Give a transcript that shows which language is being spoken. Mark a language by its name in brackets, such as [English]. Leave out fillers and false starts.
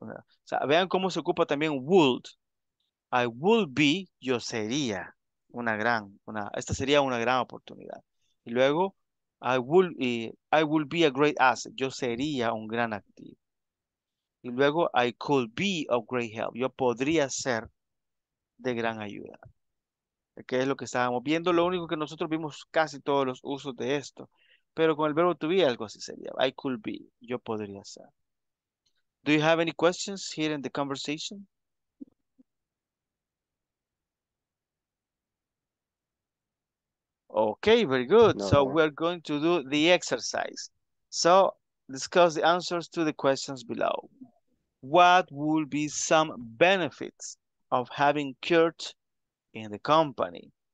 [Spanish] O sea, vean cómo se ocupa también would. [English] I would be, [Spanish] yo sería una gran, una, esta sería una gran oportunidad. Y luego, [English] I would be a great asset. [Spanish] Yo sería un gran activo. Y luego, [English] I could be a great help. [Spanish] Yo podría ser de gran ayuda. ¿Qué es lo que estábamos viendo? Lo único que nosotros vimos casi todos los usos de esto. Pero con el verbo to be, algo así sería. [English] I could be. [Spanish] Yo podría ser. [English] Do you have any questions here in the conversation? Okay, very good. No, so no. We're going to do the exercise. So discuss the answers to the questions below. What would be some benefits of having Kurt in the company?